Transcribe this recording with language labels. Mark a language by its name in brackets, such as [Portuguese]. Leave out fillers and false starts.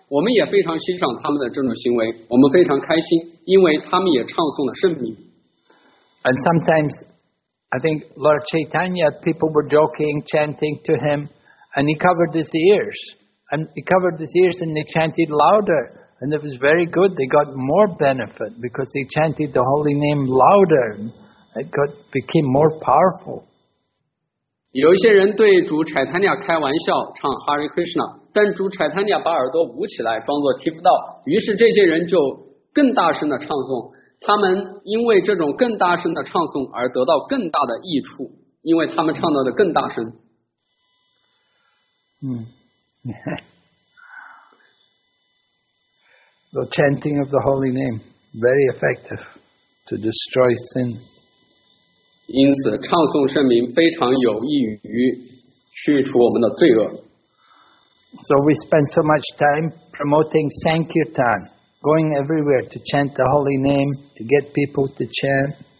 [Chinese] 我们也非常欣赏他们的这种行为，我们非常开心，因为他们也唱诵了圣名。 [English] And sometimes,I think Lord Chaitanya, people were joking, chanting to him, and he covered his ears. And he covered his ears and they chanted louder. And it was very good. They got more benefit because they chanted the holy name louder. It became more powerful. [Chinese] 有一些人对主 Chaitanya 开玩笑唱 Hare Krishna, 但主 Chaitanya 把耳朵捂起来装作听不到。于是这些人就更大声地唱诵。他们因为这种更大声的唱诵而得到更大的益处，因为他们唱到的更大声。 [English] The chanting of the holy name, very effective to destroy sins. [Chinese] 因此唱诵圣名非常有益于去除我们的罪恶。 [English] So we spend so much time promoting Sankirtan, going everywhere to chant the holy name, to get people to chant.